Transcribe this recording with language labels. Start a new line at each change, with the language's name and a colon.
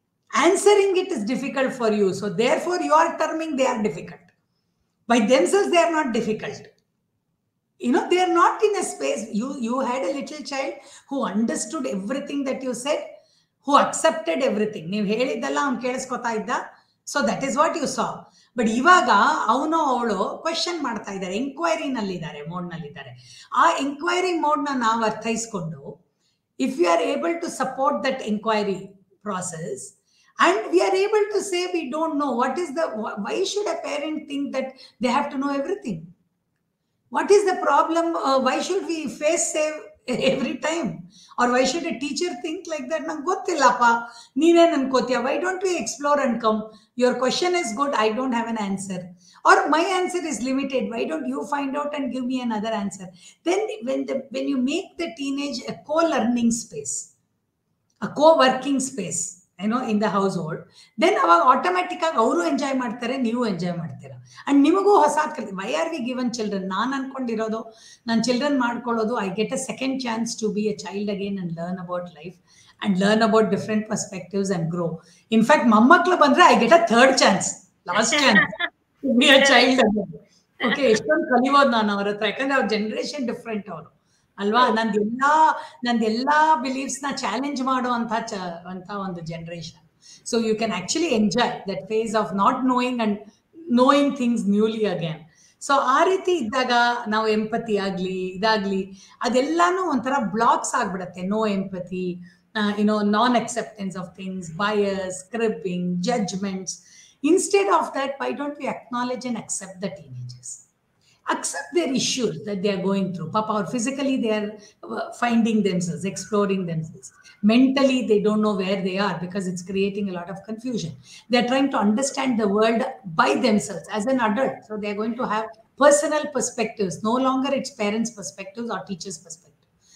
English: Answering it is difficult for you. So therefore you are terming they are difficult. By themselves they are not difficult. You know, they are not in a space. You had a little child who understood everything that you said, who accepted everything.
Kannada: ನೀವು ಹೇಳಿದ್ದಲ್ಲ ಅವ್ನು ಕೇಳಿಸ್ಕೊತಾ ಇದ್ದ,
English: So that is what you saw.
Kannada: But ಇವಾಗ ಅವನು ಅವಳು question ಮಾಡ್ತಾ ಇದ್ದಾರೆ, ಎಂಕ್ವೈರಿನಲ್ಲಿದ್ದಾರೆ, ಮೋಡ್ನಲ್ಲಿದ್ದಾರೆ. ಆ ಎಂಕ್ವೈರಿ ಮೋಡ್ನ ನಾವು ಅರ್ಥೈಸ್ಕೊಂಡು,
English: If you are able to support that enquiry process and we are able to say we don't know what is the why should a parent think that they have to know everything, what is the problem, why should we face save every time, or why should a teacher think like that?
Kannada: Nan gottilla pa, neene nankotiya,
English: why don't we explore and come? Your question is good, I don't have an answer, or my answer is limited, why don't you find out and give me another answer? Then when you make the teenage a co-learning space,
Kannada: a ಕೋವರ್ಕಿಂಗ್ space ಏನೋ
English: in the household,
Kannada: then ಅವಾಗ automatic ಆಗಿ ಅವರು enjoy ಮಾಡ್ತಾರೆ, ನೀವು enjoy ಮಾಡ್ತೀರಾ, and ನಿಮಗೂ ಹೊಸ ಕಲಿ.
English: Why are we given children?
Kannada: ನಾನು ಅನ್ಕೊಂಡಿರೋದು ನನ್ನ ಚಿಲ್ಡ್ರನ್ ಮಾಡ್ಕೊಳ್ಳೋದು
English: I get a second chance to be a child again and learn about life and learn about different perspectives and grow. In fact
Kannada: ಮೊಮ್ಮಕ್ಳು ಬಂದರೆ
English: I get a third chance, last chance to be a child again.
Kannada: Okay, ಎಷ್ಟೊಂದು ಕಲಿಬೋದು ನಾನು ಅವ್ರ ಹತ್ರ, ಯಾಕಂದ್ರೆ ಅವ್ರ generation different ಅವರು ಅಲ್ವಾ. ನಂದೆಲ್ಲ ಬಿಲೀವ್ಸ್ನ ಚಾಲೆಂಜ್ ಮಾಡುವಂತ ಅಂತ ಒಂದು generation.
English: So you can actually enjoy that phase of not knowing and knowing things newly again.
Kannada: So ಆ ರೀತಿ ಇದ್ದಾಗ ನಾವು ಎಂಪತಿ ಆಗಲಿ ಇದಾಗಲಿ ಅದೆಲ್ಲನೂ ಒಂಥರ ಬ್ಲಾಕ್ಸ್ ಆಗ್ಬಿಡತ್ತೆ.
English: No empathy, you know non acceptance of things, bias, cribbing, judgements. Instead of that, why don't we acknowledge and accept the teenagers? Accept their issues that they are going through. Papa, or physically they are finding themselves, exploring themselves. Mentally they don't know where they are because it's creating a lot of confusion. They are trying to understand the world by themselves as an adult. So they are going to have personal perspectives. No longer it's parents' perspectives or teachers' perspectives.